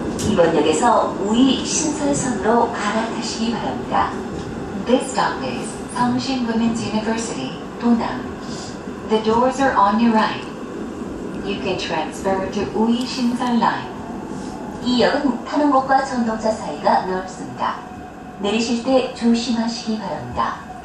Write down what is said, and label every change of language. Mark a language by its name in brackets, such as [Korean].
[Korean] 이번역에서 우이 신설선으로 갈아타시기 바랍니다. [English] This stop is 성신 Women's University, 동남. The doors are on your right. You can transfer to 우이 신설라인. [Korean] 이 역은 타는 곳과 전동차 사이가 넓습니다. 내리실 때 조심하시기 바랍니다.